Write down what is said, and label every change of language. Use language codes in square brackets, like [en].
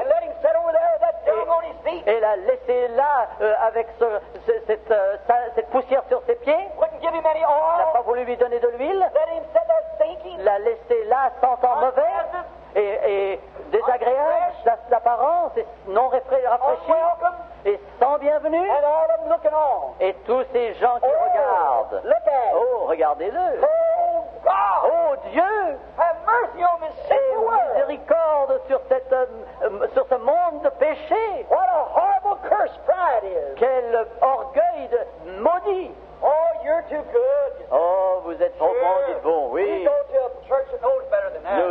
[en] And let him sit over there with that dung on his feet. [fr] Et l'a laissé là avec cette poussière sur ses pieds. [en] Wouldn't give him any oil. [fr] N'a pas voulu lui donner de l'huile. [en] Let him sit there stinking. [fr] L'a laissé là sentant mauvais. Et désagréable, l'apparence est non rafraîchie et sans bienvenue. [en] And all them looking on. [fr] Et tous ces gens qui oh, regardent. [en] Look at him. [fr] Oh, regardez-le. [en] Oh, God. [fr] Oh, Dieu. [en] Have mercy on this sinful world. [fr] Et miséricorde sur ce monde de péché. [en] What a horrible curse pride is. [fr] Quel orgueil de maudit. [en] Oh, you're too good. [fr] Oh, vous êtes trop bon, dites bon, oui. [en] We go to a church that knows better than that.